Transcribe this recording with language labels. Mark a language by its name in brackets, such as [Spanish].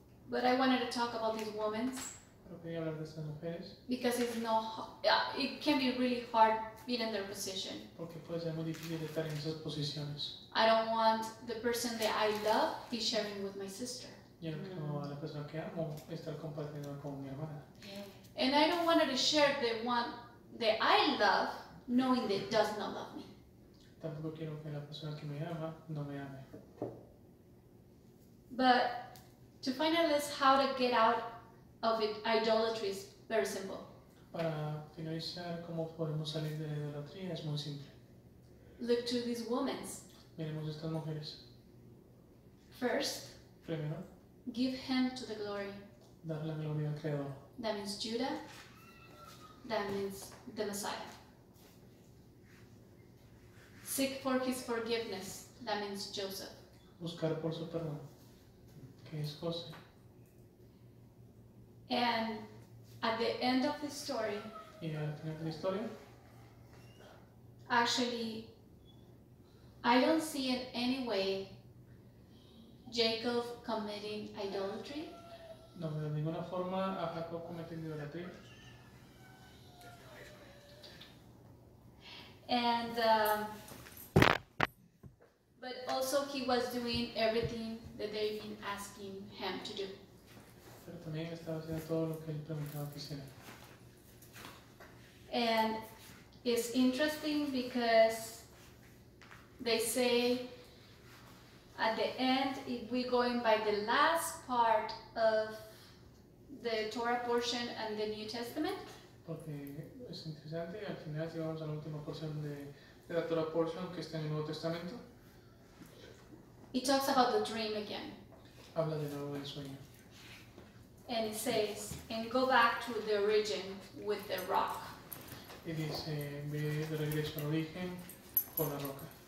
[English] But I wanted to talk about these women. [Spanish] Pero quería hablar de estas mujeres. [English] Because it's no, it can be really hard being in their position. [Spanish] Porque puede ser muy difícil estar en esas posiciones. [English] I don't want the person that I love be sharing with my sister. [Spanish] Yo no quiero a la persona que amo estar compartiendo con mi hermana. [English] Yeah. And I don't want to share the one that I love knowing that does not love me. [Spanish] Tampoco quiero que la persona que me ama no me ame. [English] But to finalize, how to get out of it, idolatry is very simple. [Spanish] Para finalizar, cómo podemos salir de la idolatría es muy simple. [English] Look to these women. [Spanish] Miremos estas mujeres. [English] First, [Spanish] primero, [English] give him to the glory. [Spanish] Dar la gloria al Creador. [English] That means Judah. That means the Messiah. Seek for his forgiveness. That means Joseph. [Spanish] Buscar por su perdón, que es José. [English] And at the end of the story, [Spanish] y al final de la historia, [English] actually, I don't see in any way Jacob committing idolatry. [Spanish] No veo de ninguna forma a Jacob cometiendo idolatría. [English] And but also he was doing everything that they've been asking him to do. [Spanish] Pero también estaba haciendo todo lo que él preguntaba que hiciera. [English] And it's interesting because they say at the end, if we're going by the last part of the Torah portion and the New Testament. [Spanish] Porque es interesante, al final llegamos a la última porción de la Torah portion que está en el Nuevo Testamento. [English] It talks about the dream again. [Spanish] Habla de nuevo del sueño. [English] And it says, and go back to the origin with the rock. [Spanish] Y dice, ve de regreso al origen con la roca.